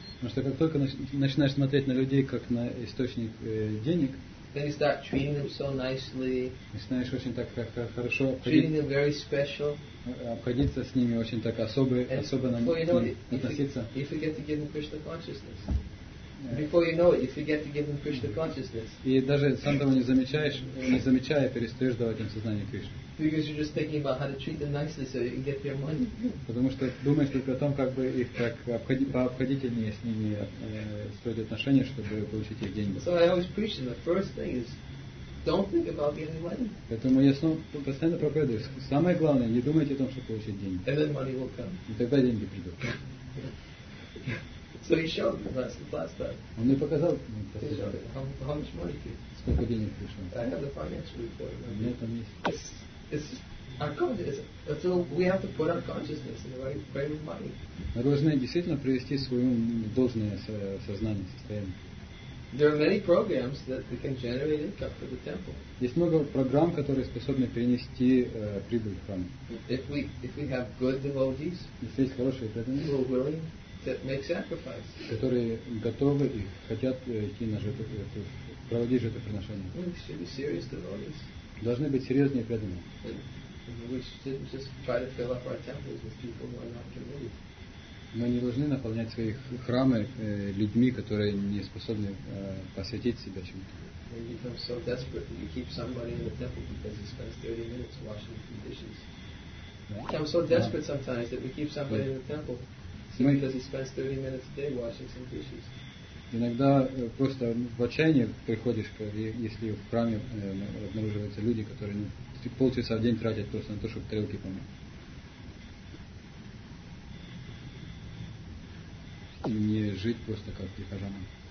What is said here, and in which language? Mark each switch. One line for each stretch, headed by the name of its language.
Russian: Потому что как только начинаешь смотреть на людей как на источник денег.
English: Then you start treating them so nicely.
Russian: Начинаешь очень так хорошо.
English: Treating them very special.
Russian: Обходиться с ними очень так особо на них относиться.
English: You forget to give them Krishna consciousness. Before you know it, you forget to give them Krishna consciousness.
Russian: И даже сам того не замечая, перестаешь давать им сознание Кришны.
English: Because you're just thinking about how to treat them nicely so you can get their money.
Russian: Потому что думаешь только о том, как бы их так пообходительнее с ними строить отношения, чтобы получить их деньги.
English: So I always preach them. The first thing is, don't think about getting money.
Russian: Поэтому я снова постоянно проповедую. Самое главное, не думайте о том, чтобы получить деньги.
English: And then money will come.
Russian: И тогда деньги придут.
English: So he showed me last time.
Russian: Он мне показал.
English: How much money did you?
Russian: Сколько денег пришло?
English: I have the financial report.
Russian: У меня там есть.
English: So we have to put our consciousness in the right frame of mind.
Russian: Мы должны действительно привести свое должное сознание, состояние.
English: There are many programs that can generate income for the temple.
Russian: Есть много программ, которые способны перенести прибыль в храм.
English: If we have good devotees,
Russian: если есть хорошие преданные,
English: who are willing to make sacrifice,
Russian: которые готовы и хотят идти на жертву, проводить жертвоприношение.
English: We should be serious devotees.
Russian: Должны быть серьезные преданные.
English: We should just try to fill up our temples with people who are not committed.
Russian: Мы не должны наполнять свои храмы людьми, которые не способны посвятить себя чему-то.
English: You become so desperate that you keep somebody in the temple because he spends 30 minutes washing the dishes. I'm so desperate sometimes that we keep somebody in the temple simply because he spends 30 minutes a day washing some dishes.
Russian: Иногда просто в отчаянии приходишь, если в храме обнаруживаются люди, которые полчаса в день тратят просто на то, чтобы тарелки помыть. И не жить просто как прихожанам.